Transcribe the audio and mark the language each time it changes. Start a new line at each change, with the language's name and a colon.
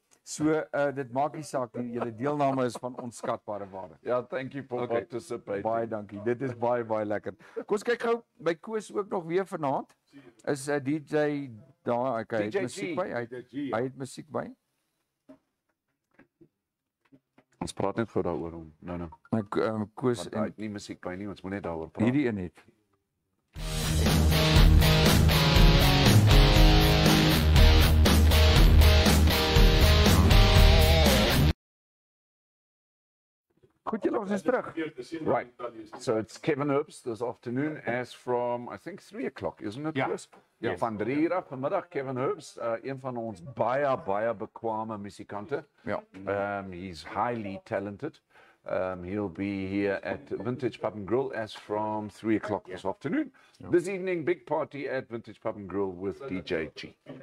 Afrikaans: So, dit maak nie saak nie, julle deelname is van onskatbare waarde.
English: Ja, thank you for participating.
Afrikaans: Baie dankie, dit is baie lekker. Koos, kyk gauw, my Koos ook nog weer vanavond, is DJ, daar, ek het muziek by, hy het muziek by. Ons praat net gauw daar oor hom, nou. Koos, want hy het nie muziek by nie, ons moet net daar oor praat. Hierdie een het. Goed, julle, ons is terug.
English: Right, so it's Kevin Herbst this afternoon as from, I think, 3 o'clock, isn't it? Yeah. Yes.
Afrikaans: Van 3 uur vanmiddag, Kevin Herbst, een van ons baie bekwame musikante.
English: Yeah. He's highly talented. He'll be here at Vintage Pub and Grill as from 3 o'clock this afternoon. Yeah. This evening, big party at Vintage Pub and Grill with DJ G.